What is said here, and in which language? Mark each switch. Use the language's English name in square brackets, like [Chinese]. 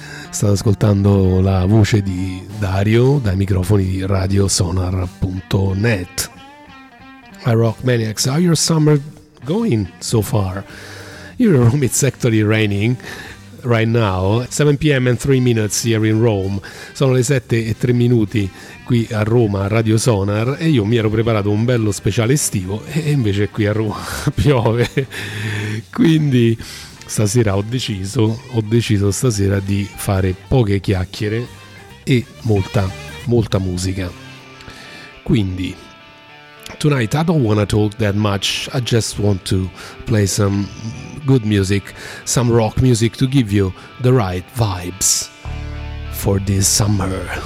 [Italian] Stavo ascoltando la voce di Dario dai microfoni di radiosonar.net. [English] Hi rock maniacs, how your summer going so far? Here in Rome it's actually raining right now, 7 p.m. and 3 minutes here in Rome. [Italian] Sono le 7 e 3 minuti qui a Roma, Radio Sonar, e io mi ero preparato un bello speciale estivo e invece qui a Roma piove. Quindi stasera ho deciso stasera di fare poche chiacchiere e molta, molta musica. [English] Quindi tonight I don't wanna talk that much, I just want to play some good music, some rock music to give you the right vibes for this summer.